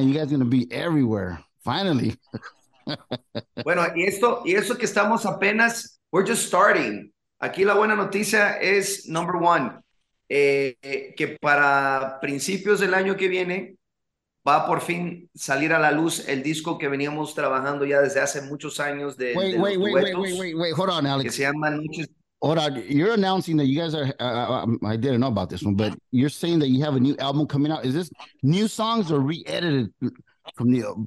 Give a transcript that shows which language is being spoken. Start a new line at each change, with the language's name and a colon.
English: Man, you guys are going to be everywhere, finally.
Spanish: Bueno, y eso que estamos apenas,
English: we're just starting.
Spanish: Aquí la buena noticia es,
English: number one,
Spanish: que para principios del año que viene va por fin salir a la luz el disco que veníamos trabajando ya desde hace muchos años de
English: wait, hold on, Alex.
Spanish: Que se llama Noches.
English: Hold on, you're announcing that you guys are, I didn't know about this one, but you're saying that you have a new album coming out. Is this new songs or re-edited from the...